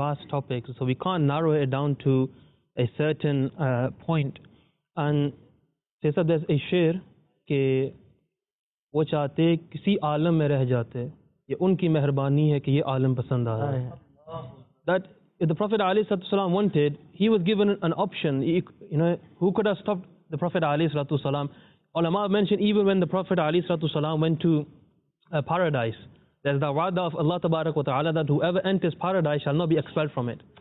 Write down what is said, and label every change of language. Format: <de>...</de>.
<en>Topic, so we can't narrow it down to a certain point. And says that there's a</en> <ur>شعر کے وہ چاہتے کسی عالم میں رہ جاتے، یہ ان کی مہربانی ہے کے یہ عالم پسند آ رہا ہے۔</ur> <en>That if the Prophet alayhi salatu salam wanted, he was given an option. Who could have stopped the Prophet alayhi salatu salam? Ulama mentioned even when the Prophet alayhi salatu salam went to paradise, there's the wada of Allah tabarak wa ta'ala that whoever enters paradise shall not be expelled from it.</en>